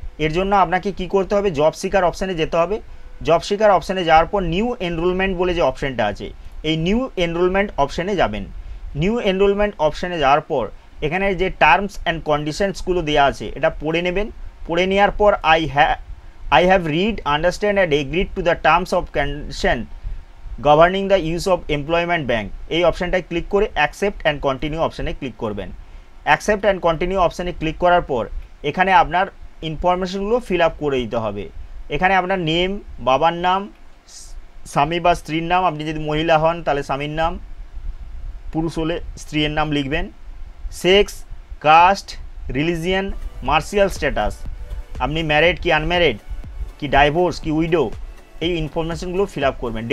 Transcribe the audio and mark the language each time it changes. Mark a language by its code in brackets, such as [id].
[bn] এর জন্য আপনাকে কী করতে হবে, জব সিকার অপশানে যেতে হবে। জব সিকার অপশানে যাওয়ার পর নিউ এনরোলমেন্ট বলে যে অপশানটা আছে, এই নিউ এনরোলমেন্ট অপশানে যাবেন। নিউ এনরোলমেন্ট অপশানে যাওয়ার পর এখানে যে টার্মস অ্যান্ড কন্ডিশনসগুলো দেওয়া আছে এটা পড়ে নেবেন। পড়ে নেওয়ার পর [en] I have read, understand and agreed to the terms of condition governing the use of employment bank. [bn] এই অপশনটায় ক্লিক করে অ্যাকসেপ্ট অ্যান্ড কন্টিনিউ অপশানে ক্লিক করবেন। অ্যাকসেপ্ট অ্যান্ড কন্টিনিউ অপশানে ক্লিক করার পর এখানে আপনার ইনফরমেশনগুলো ফিল আপ করে দিতে হবে। এখানে আপনার নেম, বাবার নাম, স্বামী বা স্ত্রীর নাম, আপনি যদি মহিলা হন তাহলে স্বামীর নাম, পুরুষ হলে স্ত্রীর নাম লিখবেন, sex, caste, religion, Martial status, আপনি ম্যারিড কি আনম্যারিড, কি ডাইভোর্স, কি উইডো, এই ইনফরমেশনগুলো ফিল আপ করবেন।